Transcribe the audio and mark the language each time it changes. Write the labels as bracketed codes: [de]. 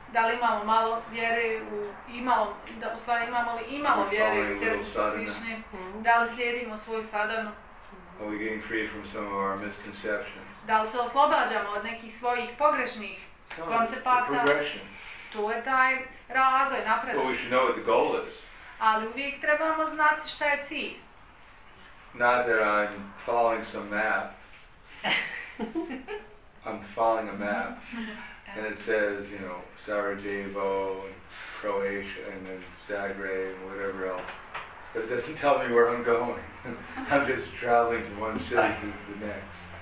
[bs] Da li imamo malo vjere u imalo, da u stvari imamo li imalo vjere u srcu Krišni? Da li slijedimo svoju sadanu? [en] Are we getting free from some of our misconceptions? [bs] Da li se oslobađamo od nekih svojih pogrešnih koncepata? To je taj razvoj, napredak. [en] But we should know what the goal is. [bs] Ali uvijek trebamo znati šta je cilj. [en] Not that I'm following some map. I'm following a map. And it says, you know, Sarajevo, and Croatia, and then Zagreb, and whatever else. But it doesn't tell me where I'm going. I'm just traveling from one city to the next.